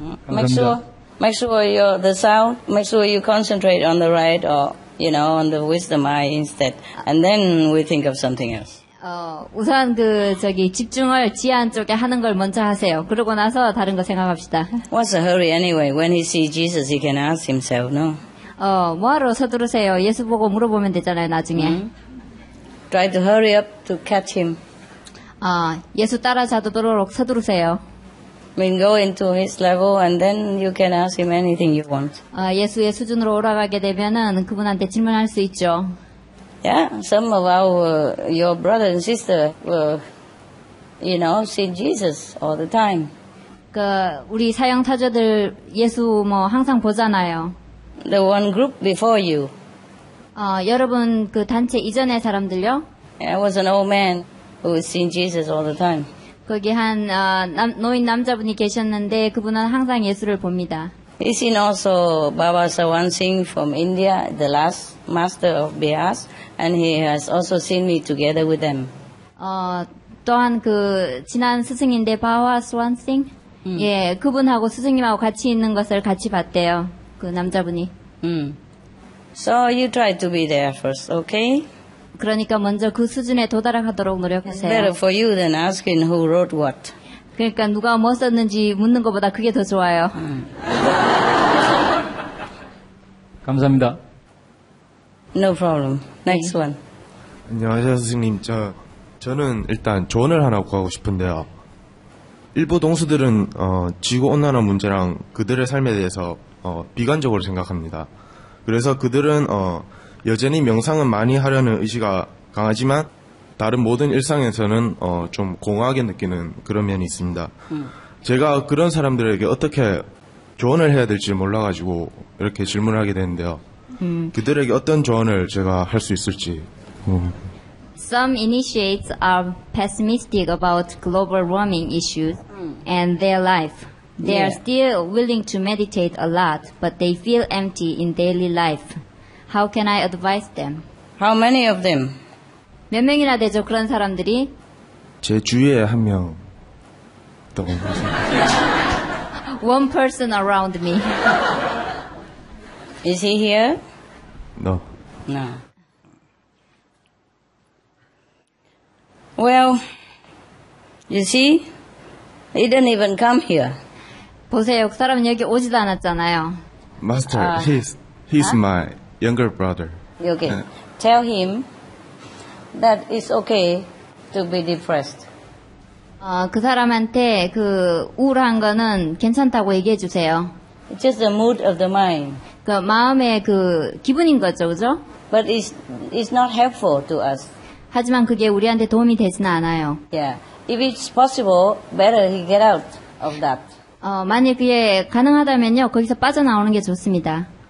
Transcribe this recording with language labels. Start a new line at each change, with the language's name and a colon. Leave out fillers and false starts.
English: Make sure you're the sound. Make sure you concentrate on the right or you know on the wisdom eye instead. And then we think of something else.
Korean: 우선 그 저기 집중을 지안 쪽에 하는 걸 먼저 하세요. 그러고 나서 다른 거 생각합시다.
English: What's the hurry anyway? When he sees Jesus, he can ask himself, no?
Korean: 뭐하러 서두르세요? 예수 보고 물어보면 되잖아요, 나중에.
English: Try to hurry up to catch him.
Korean: 예수 따라 잡도록 서두르세요.
English: I mean, go into his level and then you can ask him anything you want.
Korean: 예수의 수준으로 올라가게 되면은 그분한테 질문할 수 있죠.
English: Yeah, some of your brother and sister seen Jesus all the time.
Korean: 그 우리 사형사저들 예수 뭐 항상 보잖아요.
English: The one group before you.
Korean: 여러분 그 단체 이전의 사람들요?
English: Yeah, it was an old man who had seen Jesus all the time.
Korean: 거기 한 노인 남자분이 계셨는데 그분은 항상 예수를 봅니다.
English: He seen also Baba Sawan Singh from India, the last master of Bihar, and he has also seen me together with them.
Korean: 또한 그 지난 스승인데 Baba Sawan Singh, 예, 그분하고 스승님하고 같이 있는 것을 같이 봤대요. 그 남자분이.
English: So you try to be there first, okay?
Korean: 그러니까 먼저 그 수준에 도달하도록 노력하세요.
English: It's better for you than asking who wrote what.
Korean: 그러니까 누가 뭐 썼는지 묻는 것보다 그게 더 좋아요. 감사합니다.
English: No problem. Next one.
Korean: 안녕하세요, 선생님. 저는 일단 조언을 하나 구하고 싶은데요. 일부 동수들은 지구온난화 문제랑 그들의 삶에 대해서 비관적으로 생각합니다. 그래서 그들은 여전히 명상은 많이 하려는 의지가 강하지만 다른 모든 일상에서는 좀 공허하게 느끼는 그런 면이 있습니다. 제가 그런 사람들에게 어떻게 조언을 해야 될지 몰라가지고 이렇게 질문을 하게 되는데요. 그들에게 어떤 조언을 제가 할 수 있을지.
English: Some initiates are pessimistic about global warming issues and their life. They are still willing to meditate a lot, but they feel empty in daily life. How can I advise them? How many of them?
Korean: 몇 명이나 되죠, 그런 사람들이? 제 주위에 한 명.
English: One person around me. Is he here? No. No. Well, you see, he didn't even come here.
Korean: 보세요, 그 사람은 여기 오지도 않았잖아요.
English: Master, he's my younger brother. Okay. Tell him that it's okay to be depressed.
Korean: 그 사람한테 그 우울한 거는 괜찮다고 얘기해 주세요.
English: It's just the mood of the mind.
Korean: 그 마음의 그 기분인 거죠, 그죠?
English: But it's not helpful to us.
Korean: 하지만 그게 우리한테 도움이 되지는 않아요.
English: Yeah. If it's possible, better he get out of that.
Korean: 만약 그게 가능하다면요, 거기서 빠져나오는 게 좋습니다.